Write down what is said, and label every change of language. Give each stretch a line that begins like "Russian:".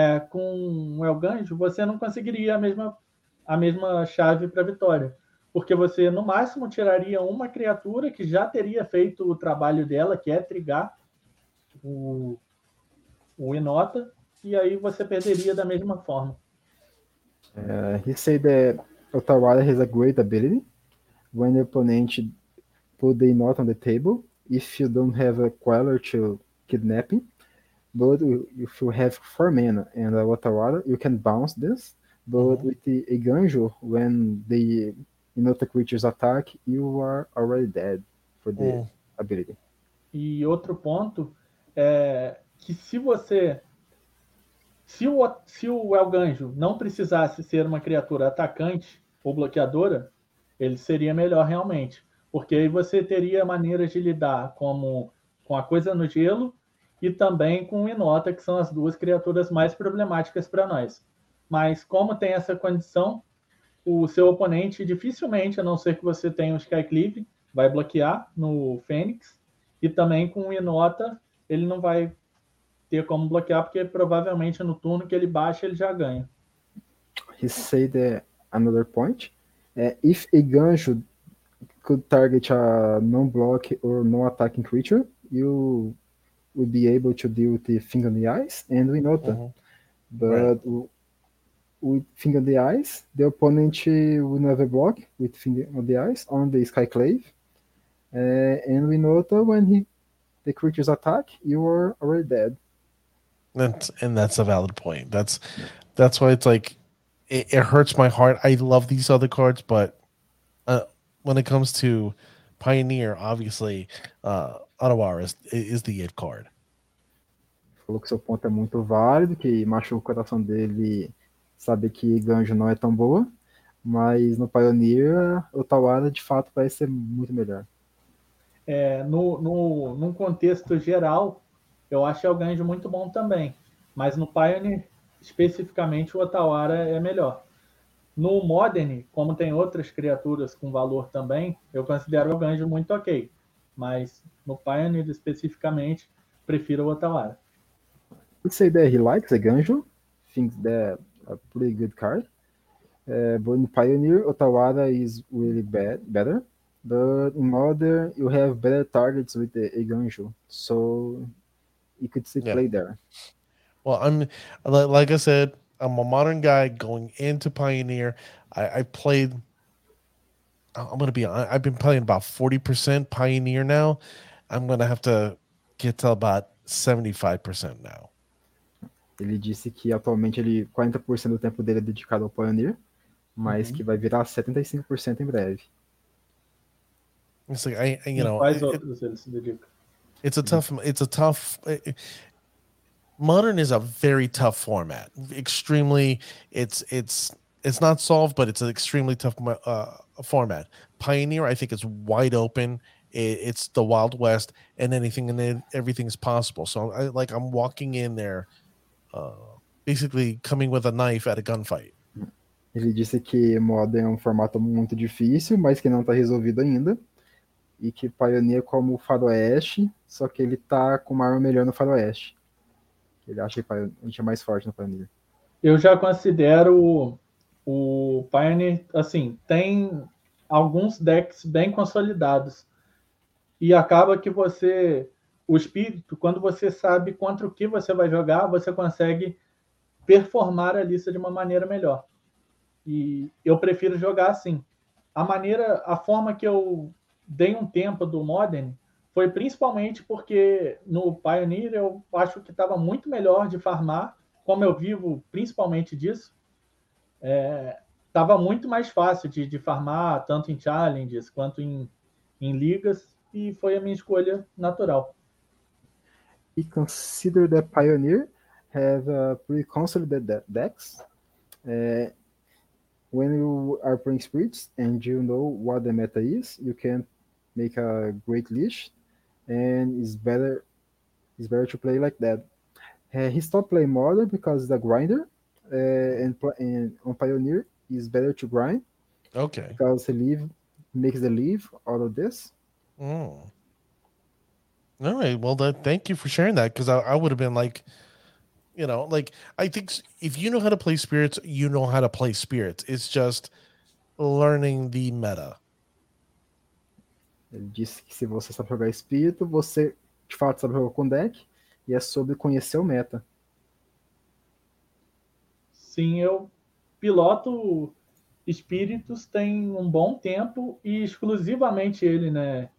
Portuguese: Com o Elganjo, você não conseguiria a mesma chave para vitória. Porque você, no máximo, tiraria uma criatura que já teria feito o trabalho dela, que é trigar o Inota, e aí você perderia da mesma forma.
English: He said that Otawara has a great ability. When the opponent put the Inota on the table, if you don't have a Queller to kidnap him, but if you have 4 mana and a Otawara, you can bounce this. But with the Eganjo, when the Inota creatures attack, you are already dead for the ability.
Portuguese: E outro ponto é que se o Elganjo não precisasse ser uma criatura atacante ou bloqueadora, ele seria melhor realmente, porque aí você teria maneiras de lidar com a coisa no gelo e também com o Inota, que são as duas criaturas mais problemáticas para nós. Mas como tem essa condição, o seu oponente dificilmente, a não ser que você tenha um Skyclave, vai bloquear no Fênix. E também com o Inota, ele não vai ter como bloquear, porque provavelmente no turno que ele baixa, ele já ganha.
English: He said another point. If Eganjo could target a non-block or non-attacking creature, you would be able to deal with the Finger in the Ice and Winota. But with Finger in the Ice, the opponent would never block with Finger on the Ice on the Skyclave. And Winota, when the creatures attack, you are already dead. And that's a valid point. That's why it's like it hurts my heart. I love these other cards, but when it comes to Pioneer, obviously, Odawara is the it card.
Portuguese: Falou que seu ponto é muito válido, que machuca o coração dele saber que Ganjo não é tão boa, mas no Pioneer, Otawara de fato parece ser muito melhor. Num contexto geral, eu acho o Ganjo muito bom também. Mas no Pioneer, especificamente, o Otawara é melhor. No Modern, como tem outras criaturas com valor também, eu considero o Ganjo muito ok. Mas no Pioneer, especificamente, prefiro o Otawara.
English: Would say that he likes a Ganjo, thinks that a pretty good card. But in Pioneer, Otawara is really better. But in Modern, you have better targets with the Ganjo, so you could see play there. Well, I'm like I said, I'm a modern guy going into Pioneer. I played I'm going to be, I've been playing about 40% Pioneer now. I'm going to have to get to about 75% now.
Portuguese: Ele disse que atualmente ele 40% do tempo dele é dedicado ao Pioneer, mas que vai virar 75% em breve.
English: It's like, Modern is a very tough format. It's not solved, but it's an extremely tough format. Pioneer, I think, is wide open. It's the Wild West, and anything and everything is possible. So, I'm walking in there, basically coming with a knife at a gunfight.
Portuguese: Ele disse que Modern é formato muito difícil, mas que não está resolvido ainda. E que Pioneer como o Faroeste, só que ele tá com uma arma melhor no Faroeste. Ele acha que a gente é mais forte no Pioneer. Eu já considero o Pioneer, assim, tem alguns decks bem consolidados. E acaba que você, o espírito, quando você sabe contra o que você vai jogar, você consegue performar a lista de uma maneira melhor. E eu prefiro jogar assim. A forma que eu dei um tempo do Modern foi principalmente porque no Pioneer eu acho que estava muito melhor de farmar, como eu vivo principalmente disso, estava muito mais fácil de farmar tanto em challenges quanto em ligas, e foi a minha escolha natural.
English: He considered that Pioneer have pre-consolidated decks. When you are playing spirits and you know what the meta is, you can make a great leash, and it's better to play like that. He stopped playing Modern because the grinder, and on Pioneer is better to grind. Okay. Because he makes the leave out of this. Mm. All right. Well, thank you for sharing that, because I would have been like, you know, like, I think if you know how to play spirits, you know how to play spirits. It's just learning the meta.
Portuguese: Ele disse que se você sabe jogar espírito, você de fato sabe jogar com deck, e é sobre conhecer o meta. Sim, eu piloto espíritos tem um bom tempo, e exclusivamente ele, né?